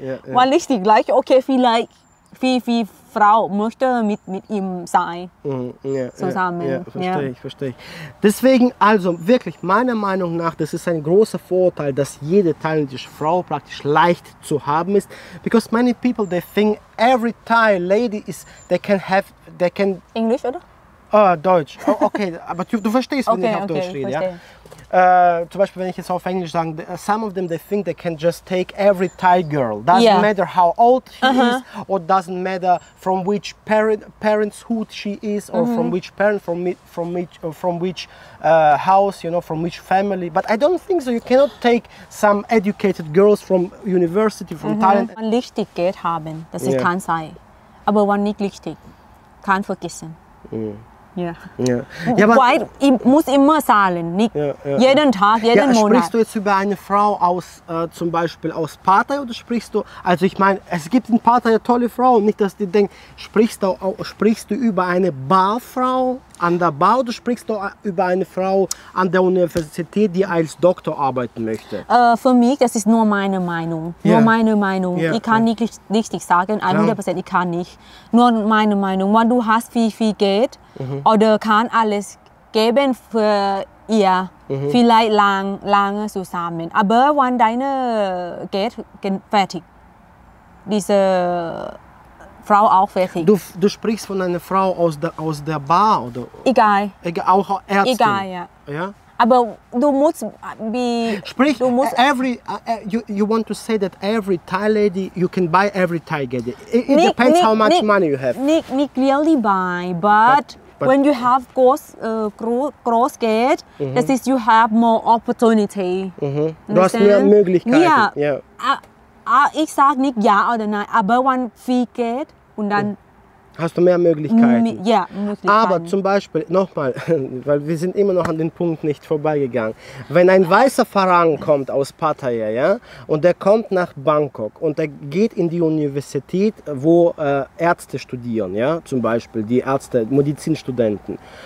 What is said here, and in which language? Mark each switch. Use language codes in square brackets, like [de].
[de] Weil richtig, gleich, okay, vielleicht viel Frau möchte mit ihm sein. Zusammen. Verstehe ich. Deswegen, also wirklich, meiner Meinung nach, das ist ein großer Vorteil, dass jede thailändische Frau praktisch leicht zu haben ist. [en] Because many people, they think every Thai lady is, they can. [de] Englisch, oder? Deutsch. Oh, okay, aber du verstehst, wenn ich auf Deutsch rede. Zum Beispiel, wenn ich jetzt auf Englisch sage, [en] some of them, they think they can just take every Thai girl. Doesn't matter how old she is, or doesn't matter from which parenthood she is, or from which house, you know, from which family. But I don't think so. You cannot take some educated girls from university, from Thailand. [de] Wenn man richtig Geld haben, das ist kein sein. Aber wenn nicht richtig, kann vergessen. Ja. Weil ich muss immer zahlen, nicht jeden Tag, jeden Monat. Sprichst du jetzt über eine Frau aus, zum Beispiel aus Pattaya, oder sprichst du, also ich meine, es gibt in Pattaya tolle Frauen, nicht, dass die denken, sprichst du über eine Barfrau an der Bar, oder sprichst du über eine Frau an der Universität, die als Doktor arbeiten möchte? Für mich, das ist nur meine Meinung. Ich kann nicht richtig sagen, 100%, ich kann nicht. Nur meine Meinung. Wenn du hast viel Geld, oder kann alles geben für ihr, vielleicht lange zusammen. Aber wenn deine Geld fertig, diese Frau auch fertig. Du sprichst von einer Frau aus der Bar, oder? Egal. Auch Ärztin? Egal, ja. Ja? Aber du musst wie... Sprich, du musst [en] you want to say that every Thai lady, you can buy every Thai lady. It depends how much money you have. [de] Nicht [en] really buy, but when you have [de] gross Geld, das ist, [en] you have more opportunity. [de] Du hast mehr Möglichkeiten. Ich sage nicht ja oder nein, aber wenn viel Geld und dann... Hast du mehr Möglichkeiten? Möglichkeiten. Aber zum Beispiel, nochmal, weil wir sind immer noch an den Punkt nicht vorbeigegangen. Wenn ein weißer Farang kommt aus Pattaya, ja, und der kommt nach Bangkok und der geht in die Universität, wo Ärzte studieren, ja, zum Beispiel die Ärzte, Medizinstudenten.